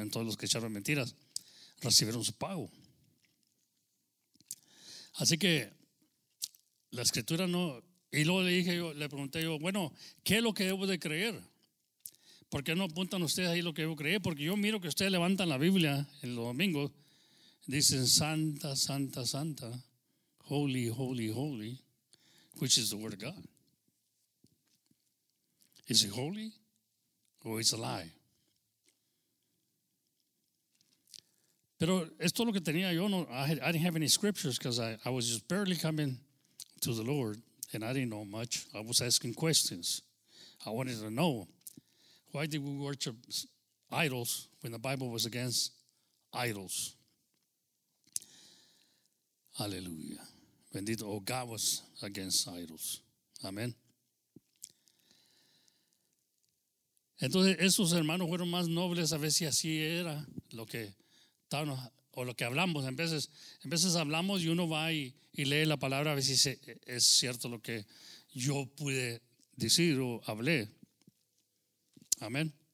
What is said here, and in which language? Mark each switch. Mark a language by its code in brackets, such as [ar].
[es] En todos los que echaron mentiras recibieron su pago. Así que la escritura no. Y luego le pregunté yo, bueno, ¿qué es lo que debo de creer? ¿Por qué no apuntan ustedes ahí lo que debo creer? Porque yo miro que ustedes levantan la Biblia en los domingos. Dicen santa, santa, santa, [en] holy, holy, holy, which is the word of God. Is it holy or is it a lie? [es] Pero esto es lo que tenía yo. [en] No, I didn't have any scriptures because I was just barely coming to the Lord and I didn't know much. I was asking questions. I wanted to know, why did we worship idols when the Bible was against idols? [es] Aleluya. Bendito. [en] Oh, God was against idols. [es] Amén. Entonces, esos hermanos fueron más nobles a ver si así era lo que estábamos, o lo que hablamos. En veces hablamos y uno va y lee la palabra a ver si es cierto lo que yo pude decir o hablé. Amén.